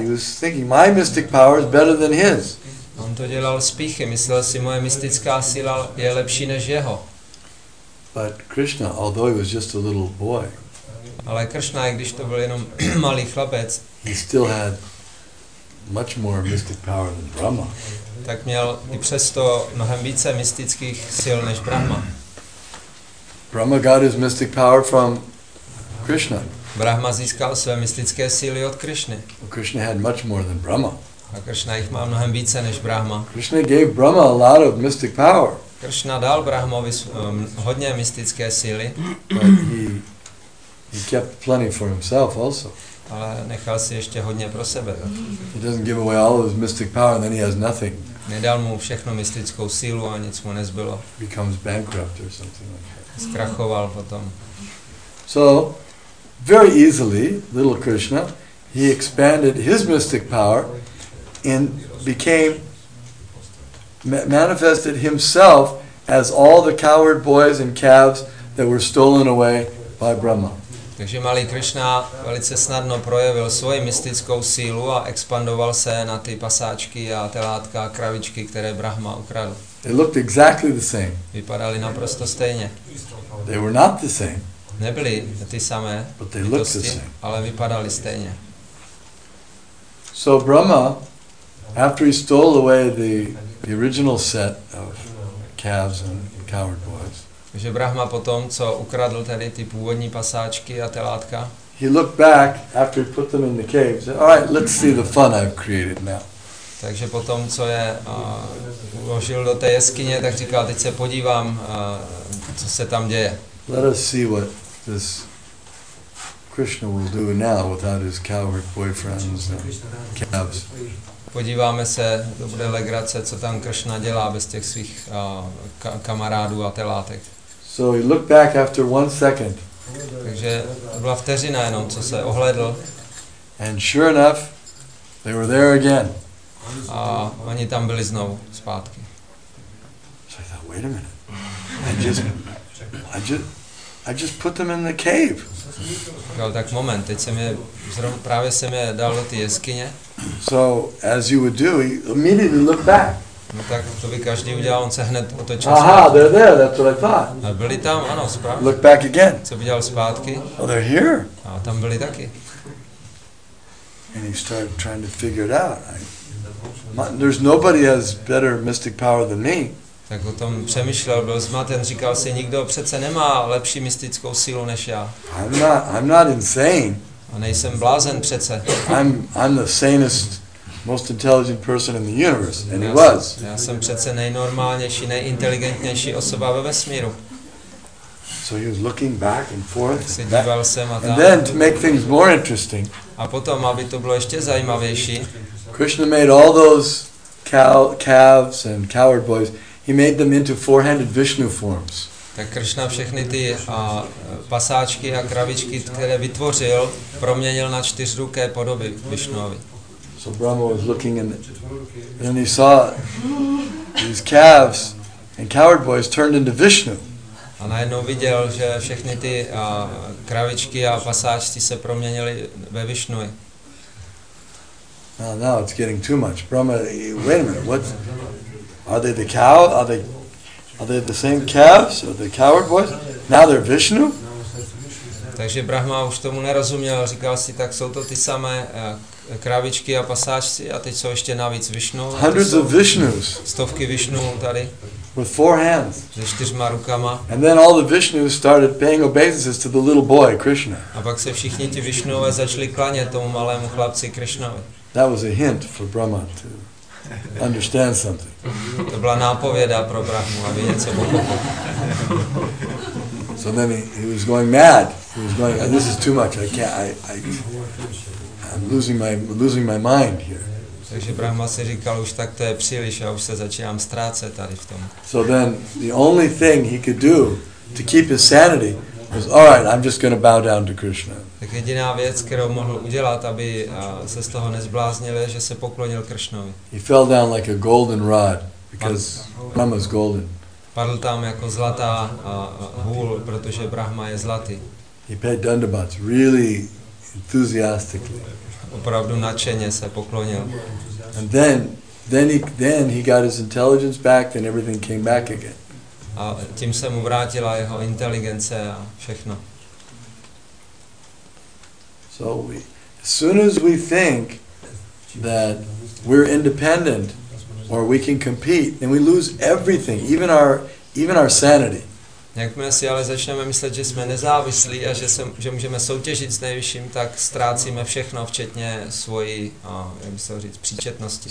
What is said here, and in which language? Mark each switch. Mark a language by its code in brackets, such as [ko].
[en] He was thinking my mystic power is better than his. [cs] On to dělal spíchy, myslel si, moje mystická síla je lepší než jeho. [en] But Krishna, although he was just a little boy. [cs] Ale Krishna, když to byl jenom malý chlapec, [en] he still had much more mystic power than Brahma. [cs] Tak měl i přesto mnohem více mystických sil než Brahma. [en] Brahma got his mystic power from Krishna. [cs] Brahma získal své mystické síly od Krishny. [en] Krishna had much more than Brahma. [cs] A Krishna jich má mnohem více než Brahma. [en] Krishna gave Brahma a lot of mystic power. [cs] Krishna dal Brahmovi hodně mystické síly. [en] He kept plenty for himself also. [cs] Ale nechal si ještě hodně pro sebe. [en] He doesn't give away all his mystic power and then he has nothing. [cs] Nedal mu všechnu mystickou sílu a nic mu nezbylo. [en] Becomes bankrupt or something like that. [cs] Zkrachoval potom. [en] So, very easily, little Krishna, he expanded his mystic power and became manifested himself as all the coward boys and calves that were stolen away by Brahma. [cs] Takže malý Krishna velice snadno projevil svoji mystickou sílu a expandoval se na ty pasáčky a telátka a kravičky, které Brahma ukradl. [en] They looked exactly the same. [cs] Vypadali naprosto stejně. [en] They were not the same. [cs] Nebyly ty samé bytosti, ale vypadali stejně. [en] So Brahma, after he stole away the original set of calves and coward boys, [cs] že Brahma potom, co ukradl tady ty původní pasáčky a telátka. [en] He looked back after he put them in the cave. Said, "All right, let's see the fun I've created now." [cs] Takže potom, co je uložil do té jeskyně, tak říkal: "Teď se podívám, co se tam děje." [en] Let us see what this Krishna will do now without his coward boyfriends and calves. [cs] Podíváme se, to bude legrace, co tam Krishna dělá bez těch svých kamarádů a telátek. [en] So he looked back after one second. [cs] Takže byla vteřina jenom, co se ohledl. [en] And sure enough, they were there again. [cs] A oni tam byli znovu zpátky. [en] So I thought, wait a minute. I just put them in the cave. [cs] Říkal, tak moment, teď jsem je, právě jsem je dal do ty jeskyně. [en] So as you would do, he immediately looked back. [cs] No tak to by každý udělal, on se hned otočil. Aha, zpátky. [en] They're there, that's what I thought. [cs] A byli tam, ano, správně. [en] Look back again. [cs] Co by dělal zpátky? [en] Oh, they're here. [cs] A tam byli taky. [en] And he started trying to figure it out. There's nobody has better mystic power than me. [cs] Tak o tom přemýšlel, byl zmaten, říkal si, nikdo přece nemá lepší mystickou sílu než já. [en] I'm not insane. [cs] A nejsem blázen přece. [en] I'm the sanest, most intelligent person in the universe, and he was. [cs] Já jsem přece nejnormálnější, nejinteligentnější osoba ve vesmíru. [en] So he was looking back and forth. [cs] Se díval sem a tam. [en] And then, to make things more interesting. [cs] A potom, aby to bylo ještě zajímavější. [en] Krishna made all those calves and coward boys. He made them into four-handed Vishnu forms. [cs] Tak Krishna všechny ty pasáčky a kravičky, které vytvořil, proměnil na čtyřruké podoby Vishnuovi. [en] So Brahma was looking in the, and he saw these calves and coward boys turned into Vishnu. [cs] A najednou viděl, že všechny ty kravičky a pasáčky se proměnily ve Vishnuji. [en] Now it's getting too much. Brahma, wait a minute, what? Are they the cow? Are they the same calves? Are they coward boys? Now they're Vishnu? [cs] Takže Brahma už tomu nerozuměl, říkal si, tak jsou to ty samé kravičky a pasáčci a teď jsou ještě navíc Vishnu. [en] Hundreds of Vishnus. [cs] Stovky Vishnu tady. [en] With four hands. [cs] Se čtyřma rukama. [en] And then all the Vishnus started paying obeisances to the little boy Krishna. [cs] A pak se všichni ti Vishnové začali klanět tomu malému chlapci Krishnovi. [en] That was a hint for Brahma to understand something. [cs] To byla nápověda pro Brahmu, aby něco pochopil. [en] So then he was going mad. He was going, this is too much. I'm losing my mind here. [cs] Takže Brahma si říkal, už tak to je příliš, já už se začínám ztrácet tady v tom. [en] So then the only thing he could do to keep his sanity was, all right, I'm just going to bow down to Krishna. [cs] Tak jediná věc, kterou mohl udělat, aby se z toho nezbláznil, je, že se poklonil Krishnovi. [en] He fell down like a golden rod because Brahma's golden. [cs] Padl tam jako zlatá hůl, protože Brahma je zlatý. [en] He paid dandabats really enthusiastically. [cs] Opravdu nadšeně se poklonil. [en] And then he got his intelligence back and everything came back again. [cs] A tím se mu vrátila jeho inteligence a všechno. [en] So as soon as we think that we're independent or we can compete, then we lose everything, even our sanity. [cs] Jakmile si ale začneme myslet, že jsme nezávislí a že můžeme soutěžit s nejvyšším, tak ztrácíme všechno, včetně svojí, jak by se to říct, příčetnosti.